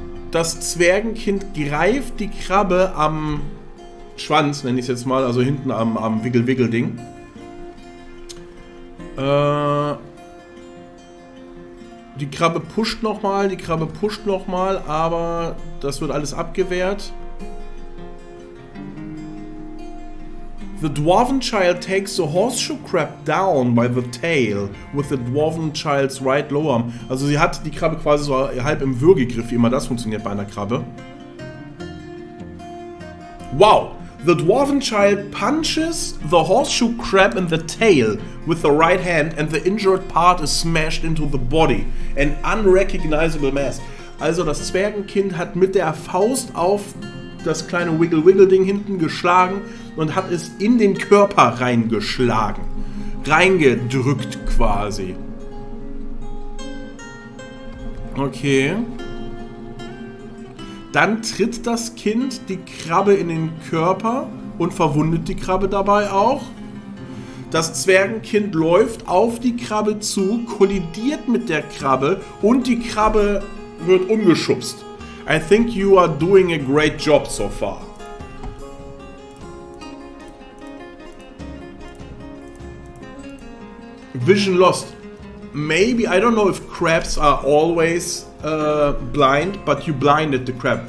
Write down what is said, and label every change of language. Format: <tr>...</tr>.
<de>Das Zwergenkind greift die Krabbe am Schwanz, nenne ich es jetzt mal, also hinten am Wiggle-Wiggle-Ding. Die Krabbe pusht nochmal, aber das wird alles abgewehrt.</de> <en>The Dwarven Child takes the Horseshoe Crab down by the tail with the Dwarven Child's right lower arm.</en> <de>Also sie hat die Krabbe quasi so halb im Würgegriff, wie immer das funktioniert bei einer Krabbe. Wow!</de> <en>The Dwarven Child punches the Horseshoe Crab in the tail with the right hand and the injured part is smashed into the body. An unrecognizable mass.</en> <de>Also das Zwergenkind hat mit der Faust auf das kleine Wiggle-Wiggle-Ding hinten geschlagen und hat es in den Körper reingeschlagen. Reingedrückt quasi. Okay. Dann tritt das Kind die Krabbe in den Körper und verwundet die Krabbe dabei auch. Das Zwergenkind läuft auf die Krabbe zu, kollidiert mit der Krabbe und die Krabbe wird umgeschubst.</de> <en>I think you are doing a great job so far. Vision lost. Maybe, I don't know if crabs are always blind, but you blinded the crab.</en>